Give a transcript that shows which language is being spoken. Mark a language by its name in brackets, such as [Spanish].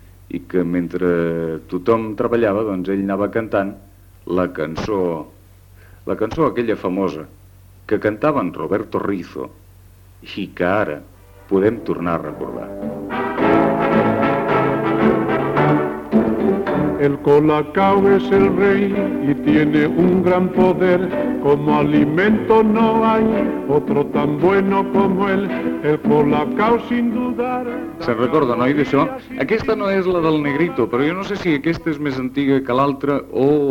[Catalan] i que mentre tothom treballava, doncs ell anava cantant la cançó aquella famosa que cantava en Roberto Rizzo i que ara podem tornar a recordar. [Spanish] El Colacao es el rey y tiene un gran poder. Como alimento no hay otro tan bueno como él. El Colacao sin dudar... [Catalan] Se'n recorda, noi, d'això? Aquesta no és la del Negrito, però jo no sé si aquesta és més antiga que l'altra o...